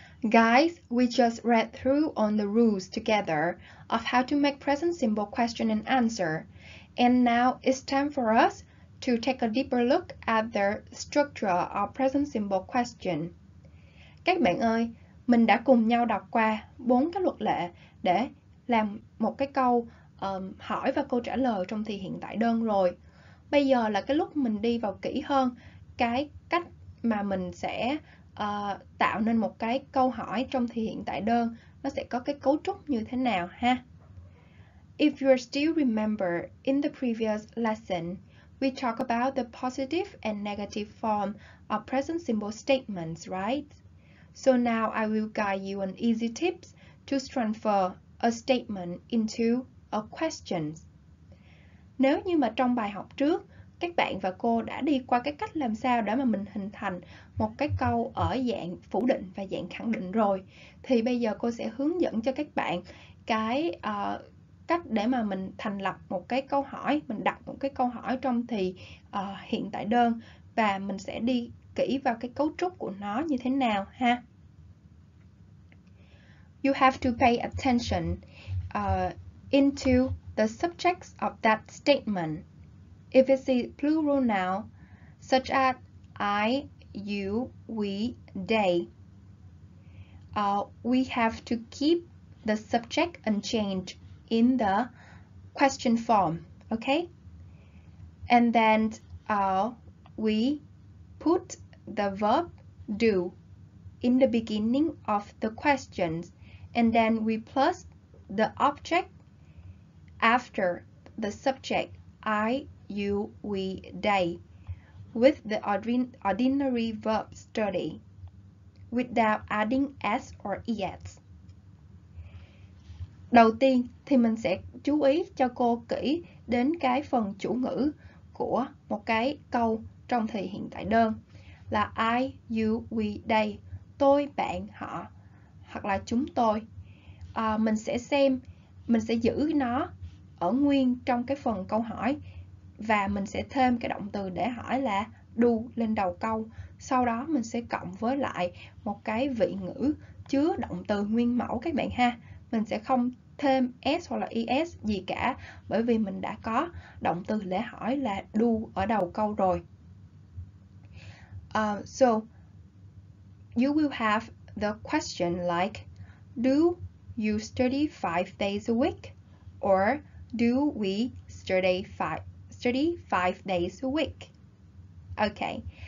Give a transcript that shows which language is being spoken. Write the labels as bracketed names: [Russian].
[English] Guys, we just read through on the rules together of how to make present simple question and answer. And now it's time for us to take a deeper look at the structure of present simple question. [Vietnamese] Các bạn ơi, mình đã cùng nhau đọc qua bốn cái luật lệ để làm một cái câu hỏi và câu trả lời trong thì hiện tại đơn rồi. Bây giờ là cái lúc mình đi vào kỹ hơn cái cách mà mình sẽ tạo nên một cái câu hỏi trong thì hiện tại đơn, nó sẽ có cái cấu trúc như thế nào ha. [English] If you still remember, in the previous lesson, we talk about the positive and negative form of present simple statements, right? So now I will guide you on easy tips to transfer a statement into a question. [Vietnamese] Nếu như mà trong bài học trước, các bạn và cô đã đi qua cái cách làm sao để mà mình hình thành một cái câu ở dạng phủ định và dạng khẳng định rồi, thì bây giờ cô sẽ hướng dẫn cho các bạn cái cách để mà mình thành lập một cái câu hỏi, mình đặt một cái câu hỏi trong thì hiện tại đơn, và mình sẽ đi kỹ vào cái cấu trúc của nó như thế nào ha. [English] you have to pay attention into the subjects of that statement. If it's a plural noun, such as I, you, we, they, we have to keep the subject unchanged in the question form, okay? And then we put the verb do in the beginning of the questions, and then we plus the object after the subject, I, you, we, they, with the ordinary verb study, without adding s or es. [Vietnamese] Đầu tiên thì mình sẽ chú ý cho cô kỹ đến cái phần chủ ngữ của một cái câu trong thời hiện tại đơn là I, you, we, they, tôi, bạn, họ hoặc là chúng tôi. Mình sẽ giữ nó ở nguyên trong cái phần câu hỏi và mình sẽ thêm cái động từ để hỏi là do lên đầu câu. Sau đó mình sẽ cộng với lại một cái vị ngữ chứa động từ nguyên mẫu các bạn ha. Mình sẽ không thêm s hoặc là es gì cả bởi vì mình đã có động từ lễ hỏi là do ở đầu câu rồi. [English] So you will have the question like do you study 5 days a week or do we study 5 days a week. Okay.